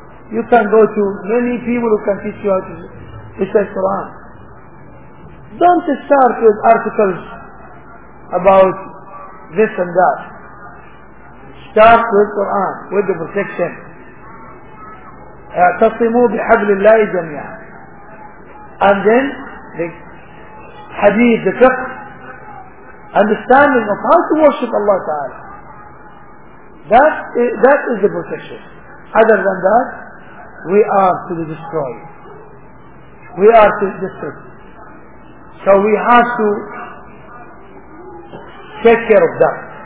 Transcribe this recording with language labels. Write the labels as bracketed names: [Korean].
[English] You can go to many people who can teach you how to recite Quran. Don't start with articles about this and that. Start with Quran, with the protection. [Arabic] اعتصموا بحبل الله جميعا. [English] And then the hadith, the fiqh, understanding of how to worship Allah Ta'ala. That is the protection. Other than that, we are to be destroyed. We are to be destroyed. So we have to take care of that.